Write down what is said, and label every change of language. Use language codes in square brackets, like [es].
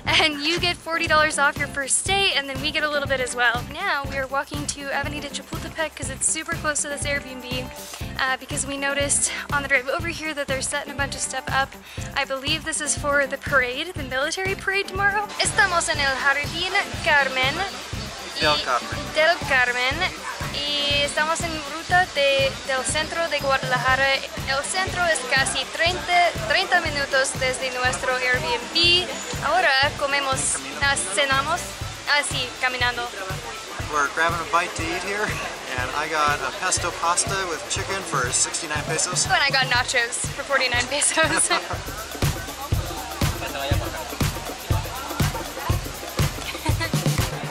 [en] And you get $40 off your first stay, and then we get a little bit as well. Now we are walking to Avenida Chapultepec because it's super close to this Airbnb. Because we noticed on the drive over here that they're setting a bunch of stuff up. I believe this is for the parade, the military parade tomorrow. [es] Estamos en el Jardín Carmen. Del Carmen. Y estamos en ruta del centro de Guadalajara. El centro es casi 30 minutos desde nuestro Airbnb. Ahora cenamos caminando. [en] We're grabbing a bite to eat here, and I got a pesto pasta with chicken for 69 pesos. Oh, and I got nachos for 49 pesos.